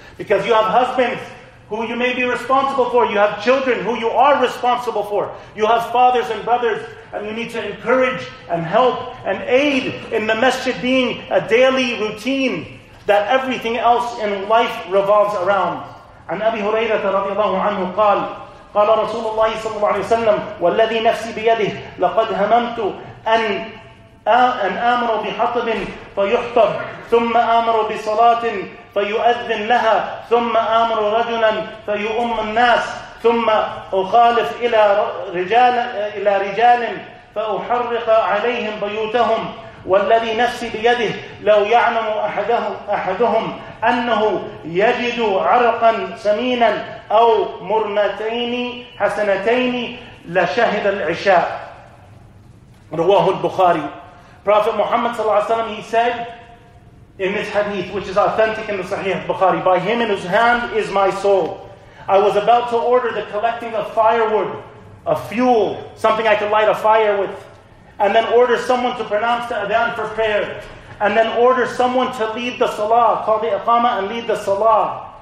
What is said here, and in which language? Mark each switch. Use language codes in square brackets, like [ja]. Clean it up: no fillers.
[en] Because you have husbands who you may be responsible for. You have children who you are responsible for. You have fathers and brothers, and you need to encourage and help and aid in the masjid being a daily routine that everything else in life revolves around. [ar] عن أبي هريرة رضي الله عنه قال قال رسول الله صلى الله عليه وسلم والذي نفسي بيده لقد هممت أن آمر بحطب فيحطب ثم آمر بصلاة فيؤذن لها ثم آمر رجلا فيؤم الناس ثم أخالف إلى رجال فأحرق عليهم بيوتهم والذي نفسي بيده لو يعلم أحدهم أنه يجد عرقا سمينا أو مرنتين حسنتين لشهد العشاء. رواه البخاري. [en] Prophet Muhammad sallallahu alaihi wasallam, he said in this hadith, which is authentic in the Sahih Bukhari, by him in whose hand is my soul, I was about to order the collecting of firewood, a fuel, something I could light a fire with, and then order someone to pronounce the adhan for prayer, and then order someone to lead the salah, call the iqama and lead the salah.